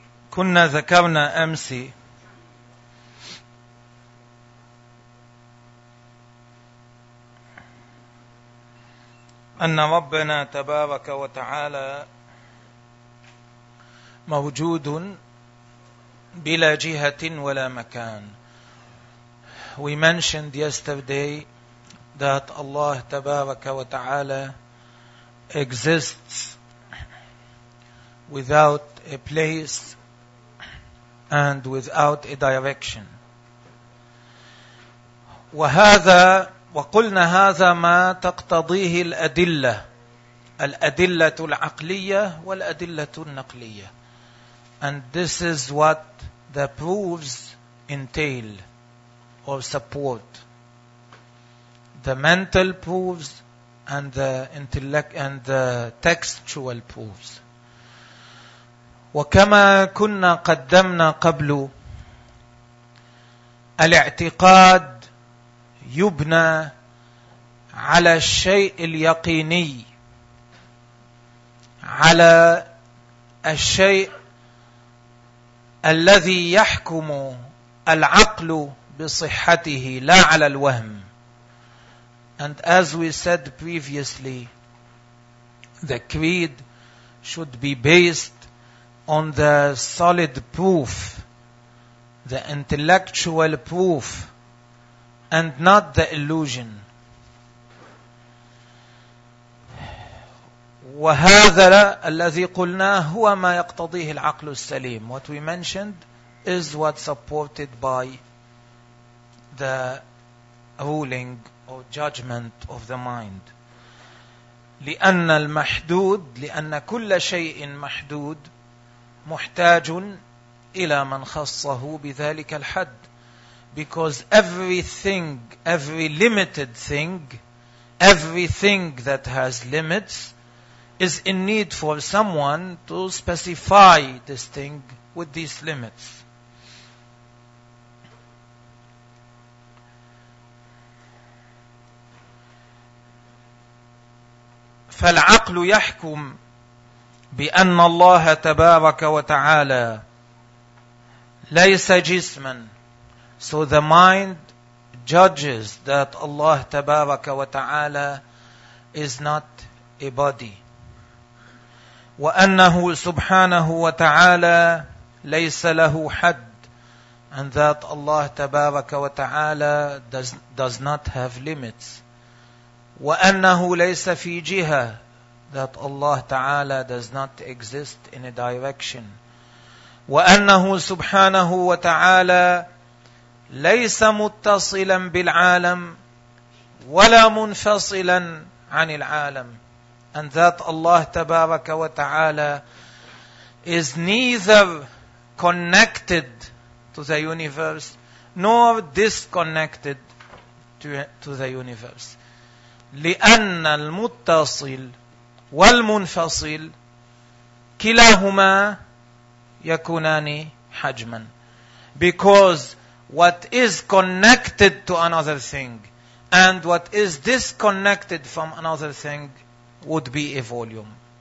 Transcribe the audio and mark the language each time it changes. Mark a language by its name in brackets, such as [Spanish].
[Arabic] كنا ذكرنا أمس أن ربنا تبارك وتعالى موجود بلا جهة ولا مكان. [English] We mentioned yesterday that Allah تبارك وتعالى exists without a place and without a direction. [Arabic] وهذا وقلنا هذا ما تقتضيه الأدلة، الأدلة العقلية والأدلة النقلية. [English] And this is what the proofs entail or support. The mental proofs and the intellect and the textual proofs. [Arabic] وكما كنا قدمنا قبل الاعتقاد يبنى على الشيء اليقيني، على الشيء الذي يحكم العقل بصحته لا على الوهم. [English] And as we said previously, the creed should be based on the solid proof, the intellectual proof, and not the illusion. [Arabic] وهذا الذي قلناه هو ما يقتضيه العقل السليم. [English] What we mentioned is what supported by the ruling or judgment of the mind. [Arabic] لأن المحدود، لأن كل شيء محدود محتاج إلى من خصه بذلك الحد. [English] Because everything, every limited thing, everything that has limits is in need for someone to specify this thing with these limits. [Arabic] فالعقل يحكم بأن الله تبارك وتعالى ليس جسما. [English] So the mind judges that Allah تبارك وتعالى is not a body. [Arabic] وأنه سبحانه وتعالى ليس له حد. [English] And that Allah تبارك وتعالى does not have limits. [Arabic] وأنه ليس في جهة. [English] That Allah تعالى does not exist in a direction. [Arabic] وأنه سبحانه وتعالى ليس متصلا بالعالم ولا منفصلا عن العالم. [English] And that Allah تبارك وتعالى is neither connected to the universe nor disconnected to the universe. [Arabic] لأن المتصل والمنفصل كلاهما يكونان حجما. [English] Because what is connected to another thing and what is disconnected from another thing would be a volume.